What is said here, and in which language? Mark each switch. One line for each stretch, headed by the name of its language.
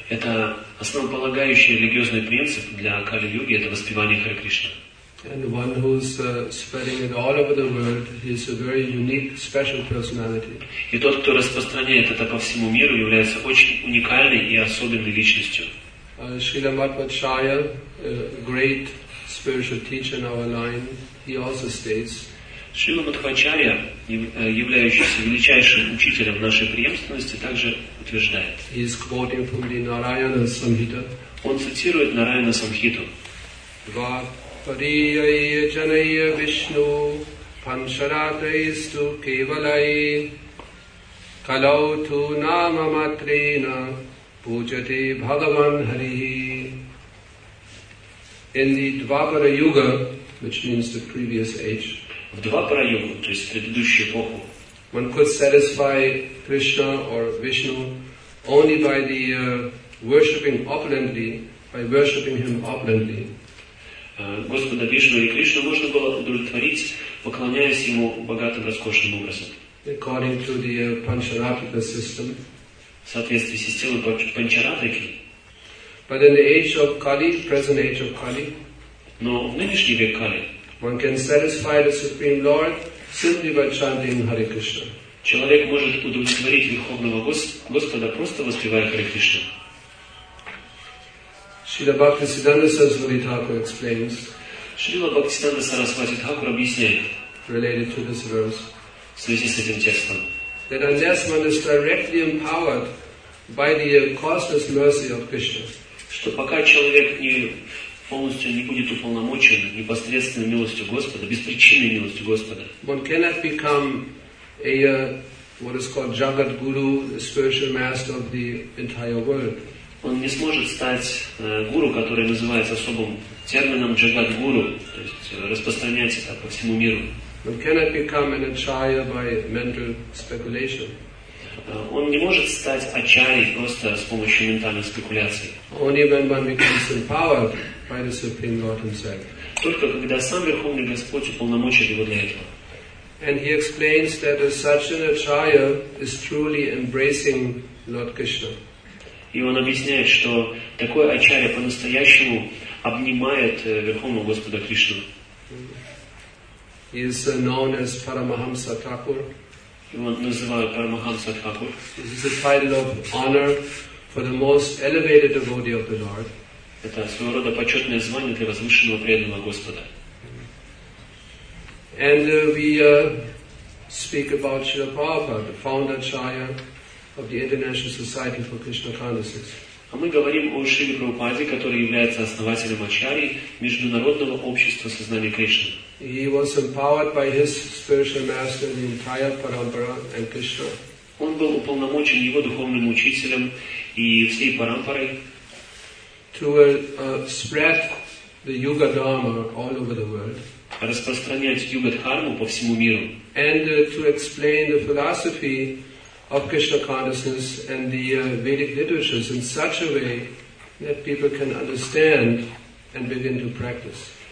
Russian: Это основополагающий религиозный принцип для Кали-юги, это воспевание Хари Кришна.
English: And one who is spreading it all over the world, he is a very unique, special personality.
Russian: И тот, кто распространяет это по всему миру, является очень уникальной и особенной личностью.
English: Srila Madhvacharya, a great spiritual teacher in our line, he also states.
Russian: Srila Madhvacharya, являющийся величайшим учителем нашей преемственности, также утверждает.
English: He is quoting from the Narayana Samhita.
Russian: Он цитирует Нараяна Самхиту.
Sanskrit: Pariyaya janaya Vishnu pancharatraistu kevalai kalautu nama matrena pujate bhagavan hari.
English: In the Dvapara Yuga, which means the previous age,
Russian: Dvapara Yuga, то есть предыдущую эпоху,
English: one could satisfy Krishna or Vishnu only by the worshipping opulently, by worshipping him opulently.
Russian: Господа Вишну и Кришну можно было удовлетворить, поклоняясь ему богатым, роскошным образом.
English: According to the Pancharatrika system.
Russian: В соответствии с системой Панчаратрики.
English: But in the age of Kali, present age of Kali.
Russian: Но в нынешний век Кали.
English: One can satisfy the Supreme Lord simply by chanting Hare Krishna.
Russian: Человек может удовлетворить Верховного Господа просто воспевая Хари Кришну.
English: Шрила Бхактисиддханта Сарасвати Тхакур explains.
Russian: Шрила Бхактисиддханта Сарасвати Тхакур объясняет.
English: Related to this verse.
Russian: В связи с этим текстом.
English: That unless one is directly empowered by the causeless mercy of Krishna.
Russian: Что пока человек не полностью не будет уполномочен непосредственной милостью Господа, беспричинной милостью Господа.
English: One cannot become a what is called Jagat Guru, the spiritual master of the entire world.
Russian: Он не сможет стать гуру, который называется особым термином Jagat Guru, то есть распространять это по всему миру.
English: One cannot become an acharya by mental speculation.
Russian: Он не может стать ачарьей просто с помощью ментальных спекуляций.
English: Only when one becomes empowered by the Supreme Lord Himself.
Russian: Только когда сам Верховный Господь уполномочит его для этого.
English: And he explains that as such an acharya is truly embracing Lord Krishna.
Russian: И он объясняет, что такой ачарья по-настоящему обнимает Верховного Господа Кришну.
English: He is known as Paramahamsa Thakur.
Russian: Его называют Парамахамса Тхакур.
English: This is a title of honor for the most elevated devotee of the Lord.
Russian: Это своего рода почетное звание для возвышенного преданного Господа.
English: And we speak about Srila Prabhupada, the founder acharya of the International Society for Krishna Consciousness.
Russian: А мы говорим о Шриле Прабхупаде, который является основателем ачарьи Международного общества сознания Кришны.
English: He was empowered by his spiritual master, the entire parampara and Krishna.
Russian: Он был уполномочен его духовным учителем и всей парампарой.
English: To spread the yoga dharma all over the world.
Russian: Распространять йога дхарму по всему миру.
English: And to explain the philosophy of Krishna consciousness and the Vedic literatures in such a way that people can understand and begin to practice.